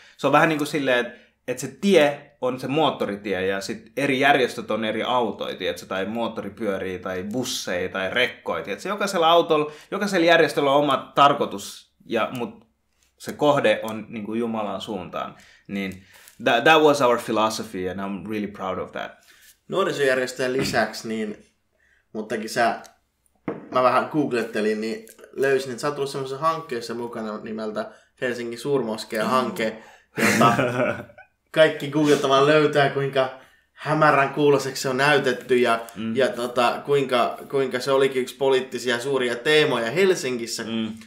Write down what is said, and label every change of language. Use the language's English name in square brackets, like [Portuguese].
[Finnish] Se on vähän niin kuin silleen, että se tie on se moottoritie ja sitten eri järjestöt on eri autoja, tai moottoripyöriä, tai busseja, tai rekkoja. Jokaisella autolla, jokaisella järjestöllä on oma tarkoitus, mutta se kohde on niin kuin Jumalan suuntaan. Niin [English] that was our philosophy and I'm really proud of that. [Finnish] Nuorisojärjestöjen lisäksi, niin, muttakin mä vähän googlettelin, niin löysin, että sä oot tullut semmoisessa hankkeessa mukana nimeltä Helsingin suurmoskeen hanke, jota kaikki googletavan löytää, kuinka hämärän kuuloseksi se on näytetty ja, ja kuinka se olikin yksi poliittisia suuria teemoja Helsingissä. Mm.